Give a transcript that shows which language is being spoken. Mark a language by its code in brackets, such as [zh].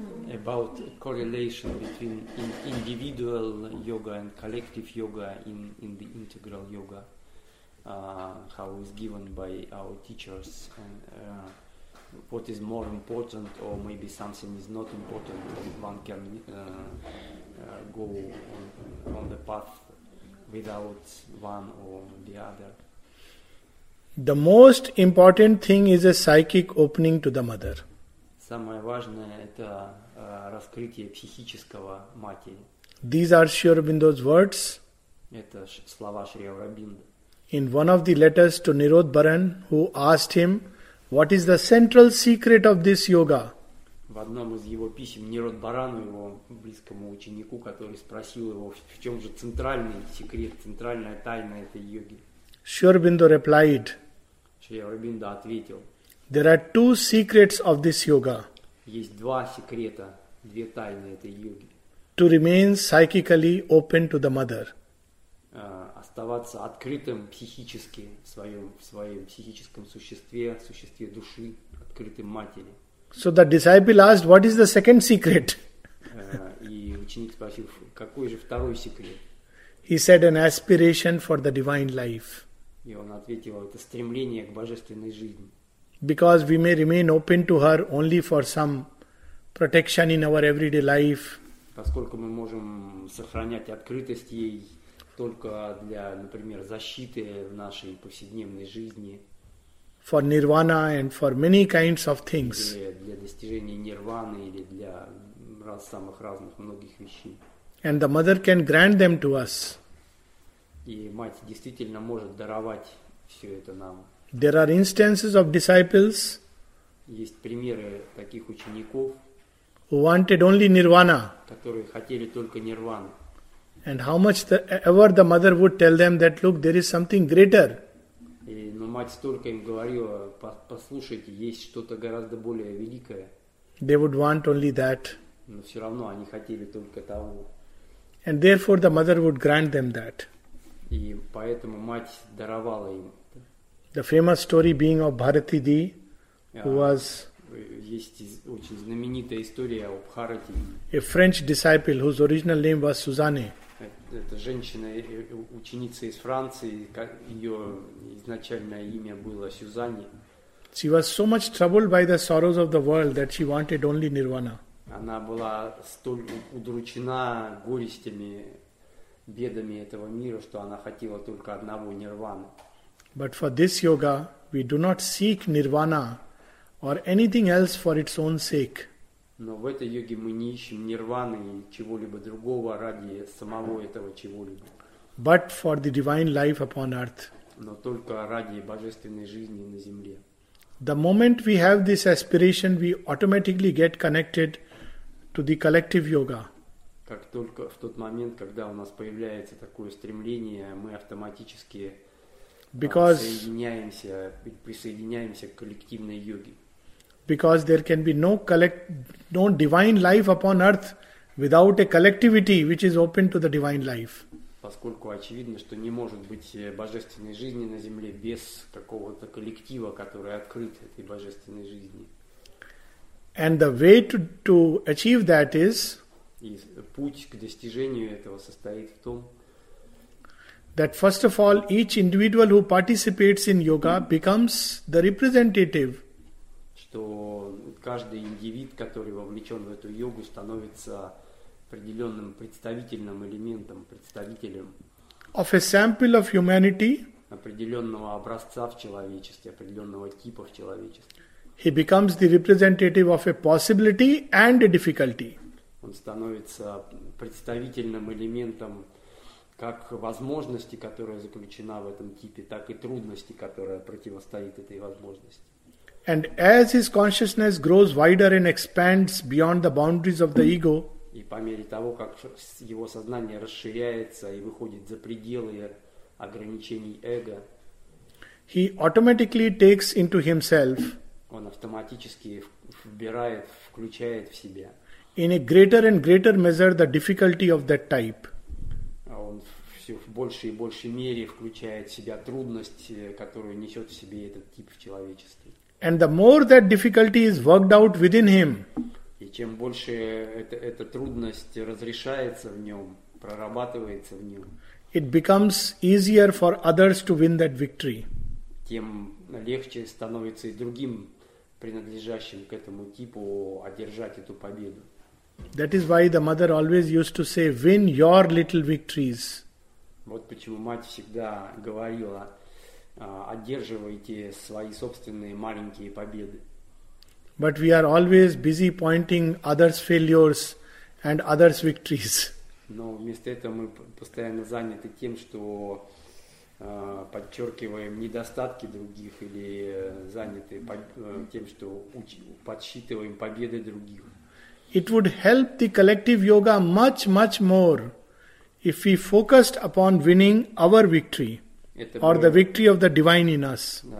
[en] About correlation between individual yoga and collective yoga in the integral yoga, how is given by our teachers, and what is more important, or maybe something is not important, one can go on the path without one or the other. The most important thing is a psychic opening to the mother. [ru] Самое важное это раскрытие психического матери. [en] These are Sri Aurobindo's words. [ru] Это слова Шри Аурабинда. [en] In one of the letters to Nirodbaran, who asked him, "What is the central secret of this yoga?" [ru] В одном из его писем Нирудбарану, его близкому ученику, который спросил его, в чем же центральный секрет, центральная тайна этой йоги. [en] Шри Аурабинда replied. [ru] Шри Аурабинда ответил. [en] There are two secrets of this yoga. [ru] Есть два секрета, две тайны этой йоги. [en] To remain psychically open to the mother. [ru] Оставаться открытым психически в своем психическом существе, в существе души, открытым матери. [en] So the disciple asked, what is the second secret? [ru] И ученик спросил, какой же второй секрет? [en] He said, an aspiration for the divine life. [ru] И он ответил, это стремление к божественной жизни. [en] Because we may remain open to her only for some protection in our everyday life. [ru] Поскольку мы можем сохранять открытость ей только для, например, защиты в нашей повседневной жизни. [en] For nirvana and for many kinds of things. [ru] Для достижения нирваны или для самых разных многих вещей. [en] And the mother can grant them to us. [ru] И мать действительно может даровать все это нам. [en] There are instances of disciples. [ru] Есть примеры таких учеников. [en] who wanted only nirvana. [ru] Которые хотели только нирвану. [en] And how much the, ever the mother would tell them that, look, there is something greater. [ru] И, но мать столько им говорила, послушайте, есть что-то гораздо более великое. [en] They would want only that. [ru] Но все равно они хотели только того. [en] And therefore the mother would grant them that. [ru] И поэтому мать даровала им. [en] The famous story being of Bharati Di, who was [ru] есть очень знаменитая история о Бхарати. [en] A French disciple whose original name was Suzanne. [ru] Это женщина, ученица из Франции, ее изначальное имя было Сюзанни. [en] She was so much troubled by the sorrows of the world that she wanted only nirvana. [ru] Она была столь удручена горестями, бедами этого мира, что она хотела только одного нирваны. [en] But for this yoga, we do not seek nirvana or anything else for its own sake. [ru] Но в этой йоге мы не ищем нирваны и чего-либо другого ради самого этого чего-либо. [en] But for the divine life upon earth. [ru] Но только ради божественной жизни на земле. [en] The moment we have this aspiration, we automatically get connected to the collective yoga. [ru] Как только в тот момент, когда у нас появляется такое стремление, мы автоматически присоединяемся к коллективной йоге. [en] Because there can be no divine life upon earth without a collectivity which is open to the divine life. [ru] Поскольку очевидно, что не может быть божественной жизни на земле без какого-то коллектива, который открыт этой божественной жизни. [en] And the way to achieve that is [ru] и путь к достижению этого состоит в том, [en] that first of all each individual who participates in yoga becomes the representative, [ru] что каждый индивид, который вовлечен в эту йогу, становится определенным представительным элементом, представителем [en] of a sample of humanity, [ru] определенного образца в человечестве, определенного типа в человечестве. [en] He becomes the representative of a possibility and a difficulty. [ru] Он становится представительным элементом как возможности, которая заключена в этом типе, так и трудности, которая противостоит этой возможности. [en] And as his consciousness grows wider and expands beyond the boundaries of the ego, [ru] и по мере того, как его сознание расширяется и выходит за пределы ограничений эго, [en] he automatically takes into himself, [ru] он автоматически вбирает, включает в себя [en] in a greater and greater measure the difficulty of that type. [ru] Он все в большей и большей мере включает в себя трудность, которую несет в себе этот тип в человечестве. [en] And the more that difficulty is worked out within him, [ru] и чем больше эта трудность разрешается в нем, прорабатывается в нем, [en] it becomes easier for others to win that victory. [ru] Тем легче становится и другим, принадлежащим к этому типу, одержать эту победу. [en] That is why the mother always used to say, "Win your little victories." [ru] Вот почему мать всегда говорила, одерживайте свои собственные маленькие победы. [en] But we are always busy pointing others' failures and others' victories. [ru] Но вместо этого мы постоянно заняты тем, что подчеркиваем недостатки других или заняты тем, что подсчитываем победы других. [en] It would help the collective yoga much, much more if we focused upon winning our victory. Or the victory of the divine in us.